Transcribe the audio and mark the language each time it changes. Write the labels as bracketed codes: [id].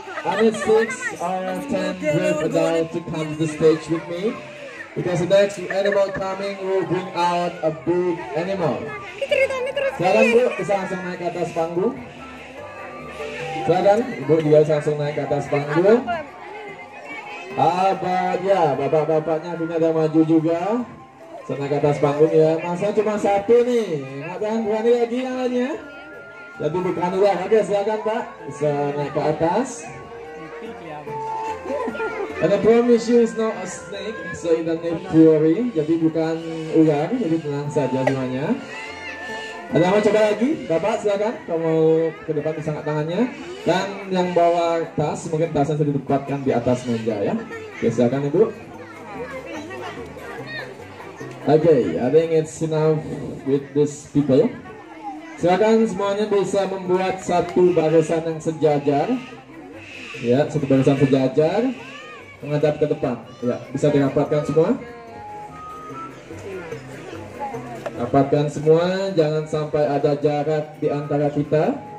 [en] I need 6 or 10 brave adults to come to the stage with me, because the next animal coming will bring out a big animal. [id] Silakan bu, bisa langsung naik ke atas panggung. Silakan, ibu juga bisa langsung naik ke atas panggung. Abah, ya, bapak-bapaknya punya ada maju juga. Saya naik ke atas panggung ya. Masa cuma satu nih, nggak tahan berani lagi yang lainnya. Jadi bukan uang, oke silakan pak, bisa naik ke atas. [en] And I promise you it's not a snake, so you don't need to worry. [id] Jadi bukan ular, jadi tenang saja semuanya. Ada mau coba lagi, bapak silakan, kalau ke depan bisa angkat tangannya. Dan yang bawa tas, mungkin tasnya sudah ditempatkan di atas meja ya. Oke silakan ibu. [en] Okay, I think it's enough with these people. [id] Silakan semuanya bisa membuat satu barisan yang sejajar. Ya, satu barisan sejajar menghadap ke depan. Ya, bisa dirapatkan semua. Rapatkan semua, jangan sampai ada jarak di antara kita.